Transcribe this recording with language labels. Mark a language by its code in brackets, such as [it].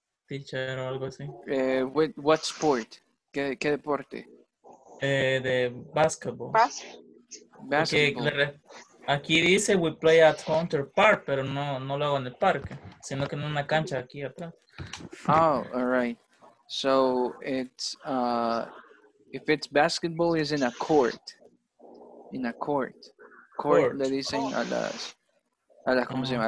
[es] Teacher o algo así. [en] What sport? [es] ¿Qué deporte? De basketball. [en] Basketball. Okay, [es] Aquí dice [en] we play at Hunter Park, [es] pero no, no lo hago en el parque, sino que en una cancha aquí atrás. [en] Oh, all right. So it's if it's basketball, is in a court. In a court. [es] Court, le dicen a las, a la, ¿cómo se llama?